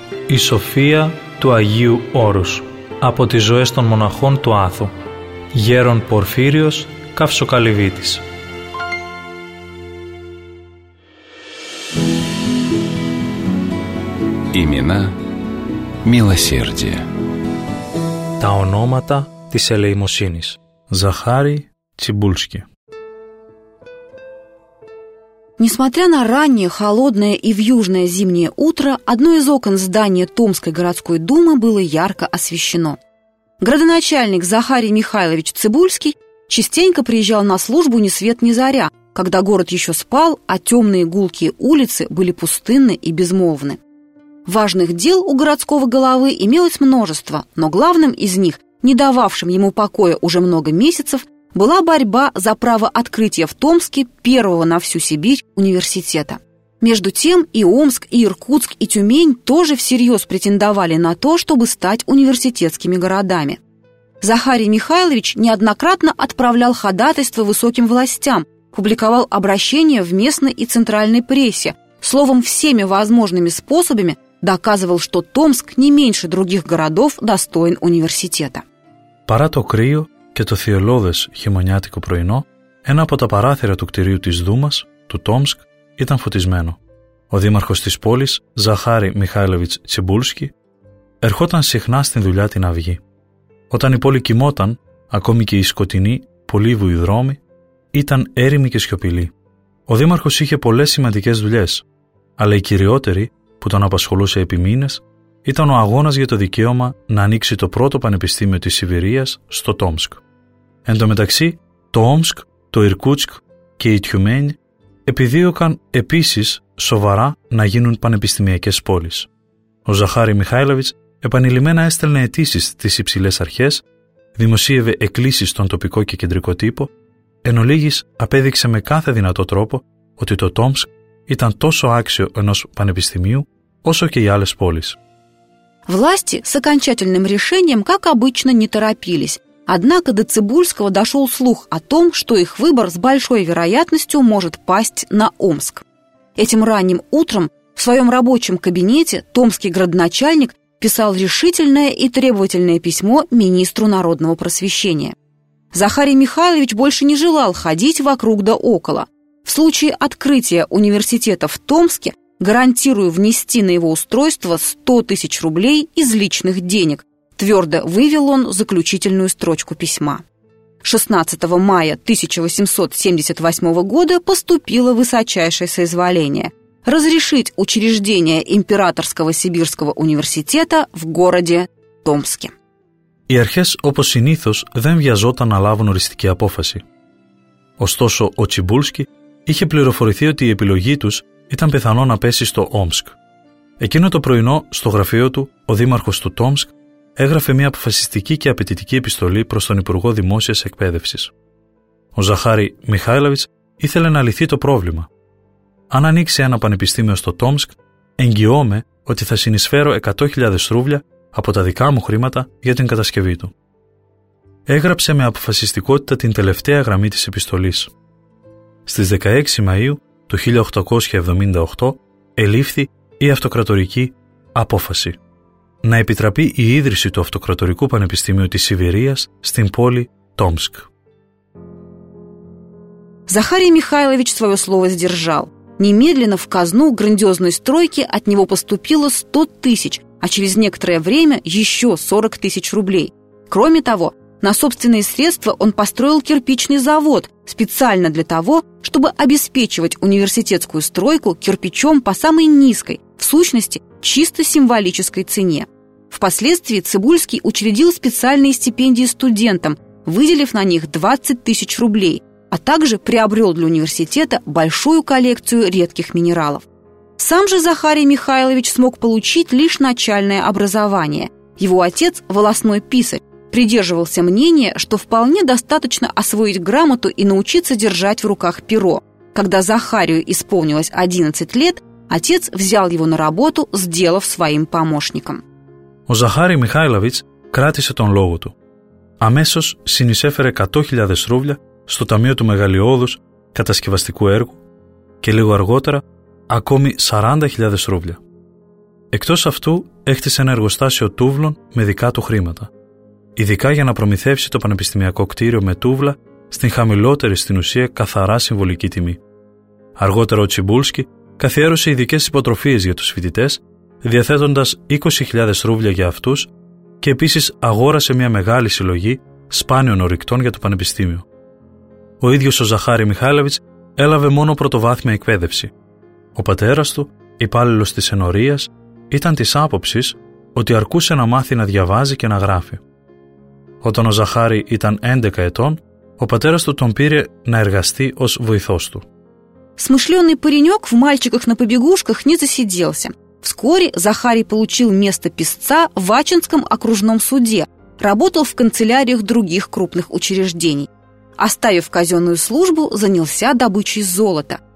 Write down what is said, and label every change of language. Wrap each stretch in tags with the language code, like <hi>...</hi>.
<el>Η Σοφία του Αγίου Όρους από τις ζωές των μοναχών του Άθου. Γέρον Πορφύριος Ковσоколевитης.</el> <ru>Имена милосердия.</ru> <el>Τα ονόματα της ελεημοσύνης.</el> <ru>Захарий Цибульский. Несмотря на раннее, холодное и вьюжное зимнее утро, одно из окон здания Томской городской думы было ярко освещено. Градоначальник Захарий Михайлович Цибульский частенько приезжал на службу ни свет ни заря, когда город еще спал, а темные гулкие улицы были пустынны и безмолвны. Важных дел у городского головы имелось множество, но главным из них, не дававшим ему покоя уже много месяцев, была борьба за право открытия в Томске первого на всю Сибирь университета. Между тем и Омск, и Иркутск, и Тюмень тоже всерьез претендовали на то, чтобы стать университетскими городами. Захарий Михайлович неоднократно отправлял ходатайства высоким властям, публиковал обращения в местной и центральной прессе, словом, всеми возможными способами доказывал, что Томск не меньше других городов достоин университета.</ru> <el>Пара то крио και το θυελλώδες χειμωνιάτικο πρωινό, ένα από τα παράθυρα του κτηρίου της Δούμας, του Τόμσκ, ήταν φωτισμένο. Ο δήμαρχος της πόλης, Ζαχάρη Μιχάιλοβιτς Τσιμπούλσκι, ερχόταν συχνά στην δουλειά την Αυγή. Όταν η πόλη κοιμόταν, ακόμη και η σκοτεινή, πολύβουη δρόμη, ήταν έρημη και σιωπηλή. Ο δήμαρχος είχε πολλές σημαντικές δουλειές, αλλά η κυριότερη, που τον απασχολούσε επί μήνες, ήταν ο αγώνας για το δικαίωμα να ανοίξει το πρώτο πανεπιστήμιο της Σιβηρίας στο Τόμσκ. Εν τω μεταξύ, το Όμσκ, το Ιρκούτσκ και η Τιουμένη επιδίωκαν επίσης σοβαρά να γίνουν πανεπιστημιακές πόλεις. Ο Ζαχάρη Μιχάιλοβιτς επανειλημμένα έστελνε αιτήσεις στις υψηλές αρχές, δημοσίευε εκκλήσεις στον τοπικό και κεντρικό τύπο, εν ολίγης απέδειξε με κάθε δυνατό τρόπο ότι το Τόμσκ ήταν τόσο άξιο ενός πανεπιστημίου όσο και οι άλλες πόλεις.</el> <ru>Власти с окончательным решением, как обычно, не торопились. Однако до Цибульского дошел слух о том, что их выбор с большой вероятностью может пасть на Омск. Этим ранним утром в своем рабочем кабинете томский градоначальник писал решительное и требовательное письмо министру народного просвещения. Захарий Михайлович больше не желал ходить вокруг да около. В случае открытия университета в Томске гарантирую внести на его устройство 100 тысяч рублей из личных денег, твердо вывел он заключительную строчку письма. 16 мая 1878 года поступило высочайшее соизволение – разрешить учреждение Императорского Сибирского университета в городе Томске.</ru> <el>Οι αρχές, όπως συνήθως, δεν βιαζόταν να λάβουν οριστική απόφαση. Ωστόσο, ο Τσιμπούλσκι είχε πληροφορηθεί ότι η επιλογή τους ήταν πιθανό να πέσει στο Όμσκ. Εκείνο το πρωινό, στο γραφείο του, ο δήμαρχος του Τόμσκ έγραφε μια αποφασιστική και απαιτητική επιστολή προς τον Υπουργό Δημόσιας Εκπαίδευσης. Ο Ζαχάρης Μιχάιλοβιτς ήθελε να λυθεί το πρόβλημα. Αν ανοίξει ένα πανεπιστήμιο στο Τόμσκ, εγγυώμαι ότι θα συνεισφέρω 100.000 ρούβλια από τα δικά μου χρήματα για την κατασκευή του. Έγραψε με αποφασιστικότητα την τελευταία γραμμή της επιστολής. Στις 16 Μαΐου του 1878 ελήφθη η αυτοκρατορική απόφαση να επιτραπεί η ίδρυση του Αυτοκρατορικού Πανεπιστημίου της Σιβηρίας στην πόλη Τόμσκ.</el> <ru>Захарий Михайлович свое слово сдержал. Немедленно в казну грандиозной стройки от него поступило 100 тысяч, а через некоторое время еще 40 тысяч рублей. Кроме того, На собственные средства он построил кирпичный завод специально для того, чтобы обеспечивать университетскую стройку кирпичом по самой низкой, в сущности, чисто символической цене. Впоследствии Цибульский учредил специальные стипендии студентам, выделив на них 20 тысяч рублей, а также приобрел для университета большую коллекцию редких минералов. Сам же Захарий Михайлович смог получить лишь начальное образование. Его отец – волосной писарь, придерживался мнения, что вполне достаточно освоить грамоту и научиться держать в руках перо. Когда Захарию исполнилось 11 лет, отец взял его на работу, сделав своим помощником.</ru> <el>Ο Ζαχάρης Μιχάηλοβιτς κράτησε τον λόγο του. Αμέσως συνεισέφερε 100.000 ρούβλια στο Ταμείο του Μεγαλειώδους Κατασκευαστικού Έργου και λίγο αργότερα ακόμη 40.000 ρούβλια. Εκτός αυτού έκτισε ένα εργοστάσιο τούβλων με δικά του χρήματα, ειδικά για να προμηθεύσει το πανεπιστημιακό κτίριο με τούβλα στην χαμηλότερη στην ουσία καθαρά συμβολική τιμή. Αργότερα ο Τσιμπούλσκι καθιέρωσε ειδικές υποτροφίες για τους φοιτητές, διαθέτοντας 20.000 ρούβλια για αυτούς και επίσης αγόρασε μια μεγάλη συλλογή σπάνιων ορυκτών για το πανεπιστήμιο. Ο ίδιος ο Ζαχάρη Μιχάηλοβιτς έλαβε μόνο πρωτοβάθμια εκπαίδευση. Ο πατέρας του, υπάλληλος της ενορίας, ήταν της άποψης ότι αρκούσε να μάθει να διαβάζει και να γράφει. Όταν ο Ζαχάρη ήταν 11 ετών, ο πατέρας του τον πήρε να εργαστεί ως βοηθός του.</el> <ru>Смышленый паренек в мальчиках на побегушках не засиделся. Вскоре Захарий получил место писца в Ачинском окружном суде, работал в канцеляриях других крупных учреждений. Оставив казенную службу, занялся добычей золота.</ru>